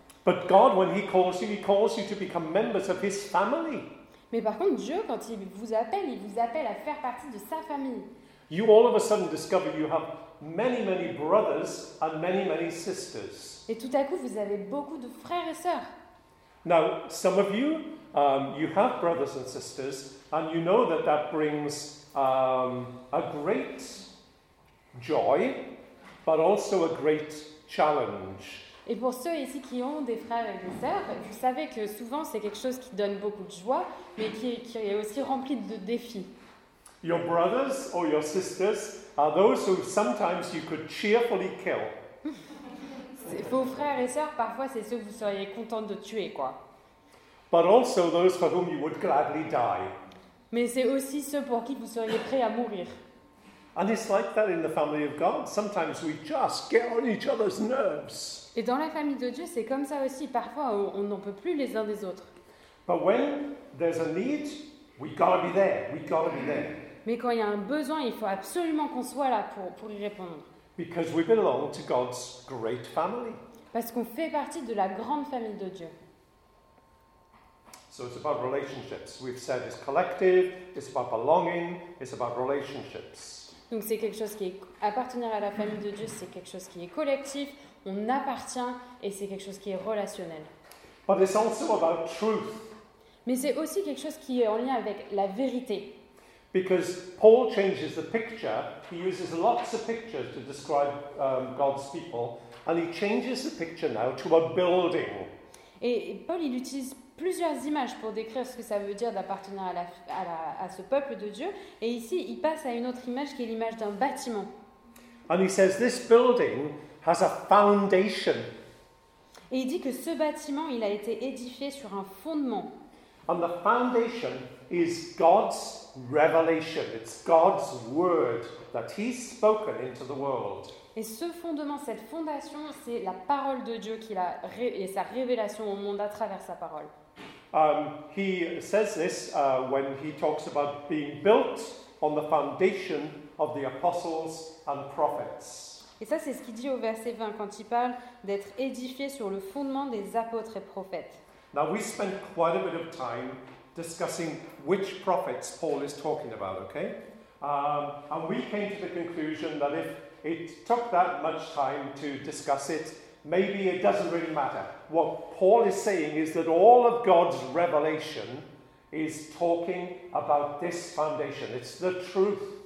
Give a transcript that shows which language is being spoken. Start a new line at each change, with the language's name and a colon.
English: But God, when he calls you, he calls you to become members of his family.
French: Mais par contre, Dieu, quand il vous appelle à faire partie de sa famille.
English: You all of a sudden discover you have many, many brothers and many, many sisters.
French: Et tout à coup, vous avez beaucoup de frères et sœurs.
English: Now, some of you, you have brothers and sisters, and you know that that brings a great joy, but also a great challenge.
French: Et pour ceux ici qui ont des frères et des sœurs, vous savez que souvent c'est quelque chose qui donne beaucoup de joie, mais qui est aussi rempli de défis.
English: Your brothers or your sisters are those who sometimes you could cheerfully kill.
French: Vos frères et sœurs, parfois, c'est ceux que vous seriez contents de tuer, quoi.
English: But also those for whom you would gladly die.
French: Mais c'est aussi ceux pour qui vous seriez prêts à mourir.
English: And it's like that in the family of God. Sometimes we just get on each other's nerves.
French: Et dans la famille de Dieu, c'est comme ça aussi. Parfois, on n'en peut plus les uns des autres.
English: But when there's a need, we gotta be there. We gotta be there.
French: Mais quand il y a un besoin, il faut absolument qu'on soit là pour y répondre.
English: Because we belong to God's great family.
French: Parce qu'on fait partie de la grande famille de Dieu.
English: So it's about relationships. We've said it's collective, it's about belonging, it's about relationships.
French: Donc c'est quelque chose qui est appartenir à la famille de Dieu, c'est quelque chose qui est collectif, on appartient et c'est quelque chose qui est relationnel.
English: But it's also about truth.
French: Mais c'est aussi quelque chose qui est en lien avec la vérité.
English: Because Paul changes the picture, he uses lots of pictures to describe God's people, and he changes the picture now to a building.
French: Et Paul, il utilise plusieurs images pour décrire ce que ça veut dire d'appartenir à ce peuple de Dieu, et ici, il passe à une autre image qui est l'image d'un bâtiment.
English: And he says this building has a foundation.
French: Et il dit que ce bâtiment, il a été édifié sur un fondement.
English: And the foundation is God's revelation. It's God's word that he's spoken into the world.
French: Et ce fondement, cette fondation, c'est la parole de Dieu qu'il a et sa révélation au monde à travers sa parole.
English: He says this when he talks about being built on the foundation of the apostles and prophets.
French: Et ça, c'est ce qu'il dit au verset 20 quand il parle d'être édifié sur le fondement des apôtres et prophètes.
English: Now we spent quite a bit of time discussing which prophets Paul is talking about, okay? And we came to the conclusion that if it took that much time to discuss it, maybe it doesn't really matter. What Paul is saying is that all of God's revelation is talking about this foundation. It's the truth.